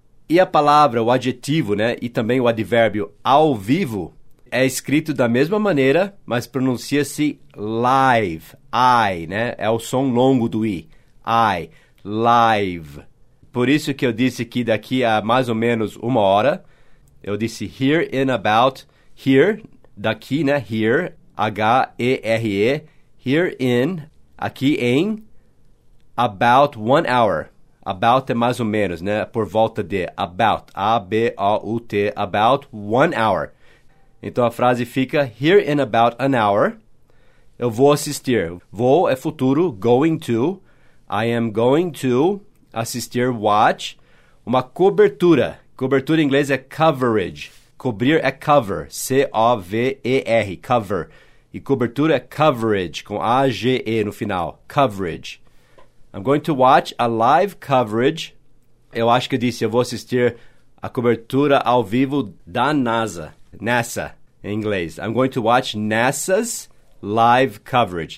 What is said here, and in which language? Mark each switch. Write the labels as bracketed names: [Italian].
[Portuguese] E a palavra, o adjetivo, né? E também o advérbio ao vivo é escrito da mesma maneira, mas pronuncia-se live. I, né? É o som longo do I. I. Live. Por isso que eu disse que daqui a mais ou menos uma hora, eu disse [English] here in about, here, [Portuguese] daqui, né? [English] Here, H-E-R-E, here in, [Portuguese] aqui em, [English] about one hour. [Portuguese] About é mais ou menos, né? Por volta de about, A-B-O-U-T, [English] about one hour. [Portuguese] Então a frase fica [English] here in about an hour. [Portuguese] Eu vou assistir. Vou é futuro, [English] going to, I am going to [Portuguese] assistir, watch, uma cobertura. Cobertura em inglês é coverage. Cobrir é cover, C-O-V-E-R, cover. E cobertura é coverage, com A-G-E no final, coverage. [English] I'm going to watch a live coverage. [Portuguese] Eu acho que eu disse, eu vou assistir a cobertura ao vivo da NASA. NASA, em inglês. [English] I'm going to watch NASA's live coverage.